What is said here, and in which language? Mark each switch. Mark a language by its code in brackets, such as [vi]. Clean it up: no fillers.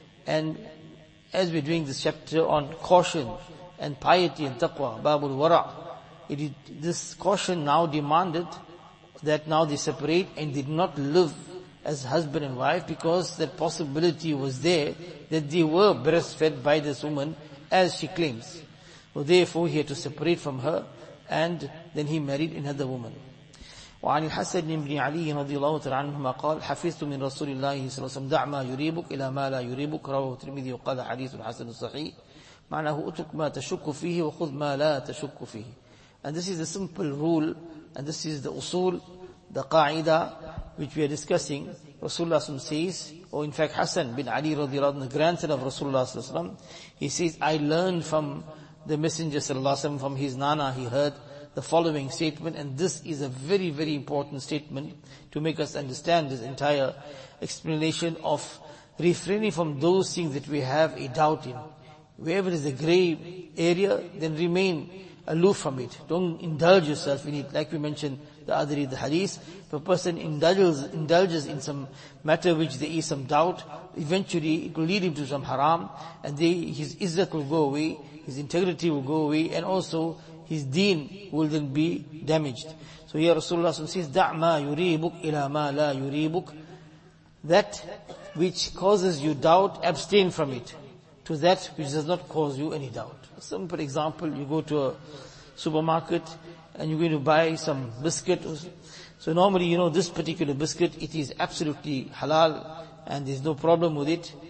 [en] And as we're doing this chapter on caution and piety and taqwa, Babul Wara, this caution now demanded that now they separate and did not live as husband and wife, because that possibility was there that they were breastfed by this woman as she claims. So therefore he had to separate from her, and then he married another woman. [ar] وعن الحسن بن علي رضي الله تعالى عنهما قال حفظت من رسول الله صلى الله عليه وسلم دع ما يريبك إلى ما لا يريبك، رواه الترمذي، وقال حديث الحسن الصحيح، معناه اترك ما تشك فيه وخذ ما لا تشك فيه. [en] And this is the simple rule, and this is the usul, the qaida which we are discussing. Rasulullah [ar] صلى الله عليه وسلم [en] says, or in fact حسن بن علي [ar] رضي الله عنه, [en] the grandson of Rasulullah صلى الله عليه وسلم, he says, I learned from the messenger صلى الله عليه وسلم, from his nana he heard the following statement, and this is a very, very important statement to make us understand this entire explanation of refraining from those things that we have a doubt in. Wherever there's a gray area, then remain aloof from it. Don't indulge yourself in it. Like we mentioned the other day, the hadith, if a person indulges in some matter which there is some doubt, eventually it will lead him to some haram, and his izzat will go away, his integrity will go away, and also his deen will then be damaged. So here Rasulullah says, [ar] دَعْمَا يُرِيبُكْ إِلَى مَا لَا يُرِيبُكْ. [en] That which causes you doubt, abstain from it, to that which does not cause you any doubt. A simple example, you go to supermarket and you're going to buy some biscuit. So normally, you know, this particular biscuit, it is absolutely halal and there's no problem with it.